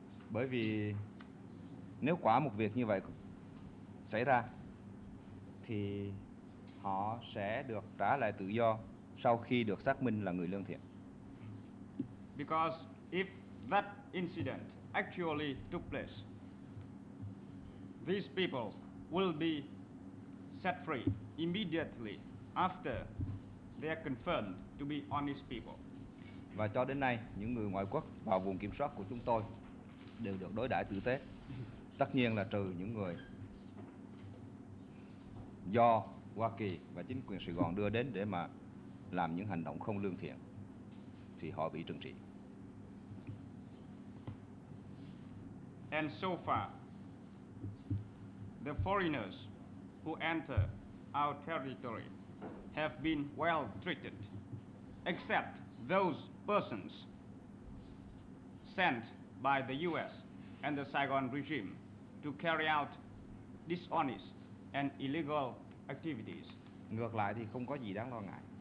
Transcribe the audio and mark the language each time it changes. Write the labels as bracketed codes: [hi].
[vi] Bởi vì nếu quả một việc như vậy xảy ra, thì họ sẽ được trả lại tự do sau khi được xác minh là người lương thiện. [en] Because if that incident actually took place, these people will be set free immediately after they are confirmed to be honest people. [vi] Và cho đến nay, những người ngoại quốc vào vùng kiểm soát của chúng tôi đều được đối đãi tử tế. Tất nhiên là trừ những người do Hoa Kỳ và chính quyền Sài Gòn đưa đến để mà làm những hành động không lương thiện, thì họ bị trừng trị. [en] And so far, the foreigners who enter our territory have been well treated, except those persons sent by the U.S. and the Saigon regime to carry out dishonest and illegal activities. [vi] Ngược lại thì không có gì đáng lo ngại.